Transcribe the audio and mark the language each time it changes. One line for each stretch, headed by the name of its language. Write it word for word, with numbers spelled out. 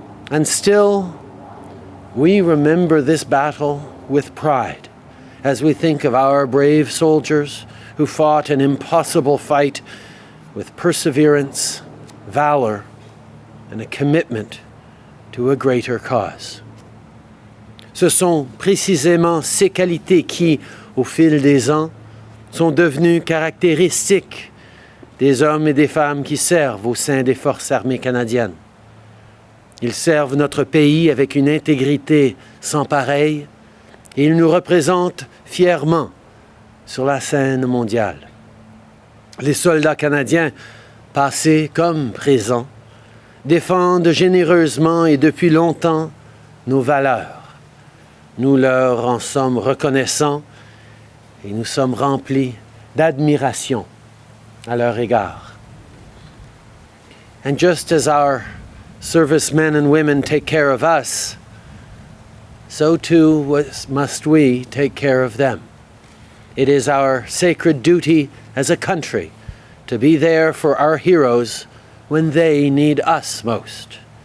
English: And still, we remember this battle with pride as we think of our brave soldiers who fought an impossible fight with perseverance, valor, and a commitment to a greater cause.
French: Ce sont précisément ces qualités qui, au fil des ans, sont devenues caractéristiques des hommes et des femmes qui servent au sein des Forces armées canadiennes. Ils servent notre pays avec une intégrité sans pareille et ils nous représentent fièrement sur la scène mondiale. Les soldats canadiens, passés comme présents, défendent généreusement et depuis longtemps nos valeurs. Nous leur en sommes reconnaissants et nous sommes remplis d'admiration à leur égard.
English: And just as our servicemen and women take care of us, so too was, must we take care of them. It is our sacred duty as a country to be there for our heroes when they need us most.